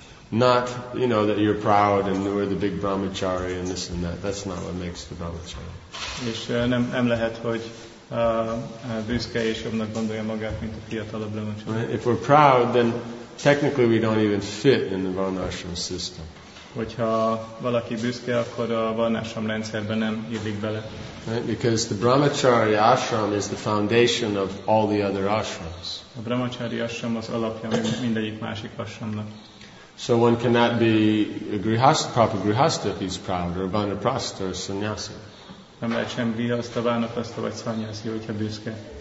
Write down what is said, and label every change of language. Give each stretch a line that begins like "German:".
English: Not, you know, that you're proud and you're the big brahmachari and this and that. That's not what makes the brahmachari.
Hungarian: És nem lehet, hogy büszke és jobbnak gondolja magát, mint a fiatalabb brahmachari.
English: If we're proud, then technically we don't even fit in the varnashram system.
Hungarian: Hogyha valaki büszke, akkor a varnashram rendszerben nem illik bele.
English: Right? Because the brahmachari ashram is the foundation of all the other ashrams.
Hungarian: A brahmachari ashram az alapja mindegyik másik ashramnak.
English: So one cannot be a grihastha, proper grihastha if he's proud, or a vanaprastha or a sannyasi.
Hungarian: Nem lehet sem grihastha, vanaprastha vagy sannyasi, hogyha büszke.